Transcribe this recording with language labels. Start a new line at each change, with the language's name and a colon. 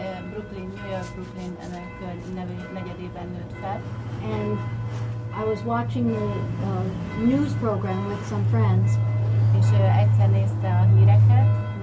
Hungarian: Brooklyn, New York, Brooklyn, negyedében nőtt fel.
English: And I was watching the news program with some friends.
Hungarian: És egyszer nézte a híreket.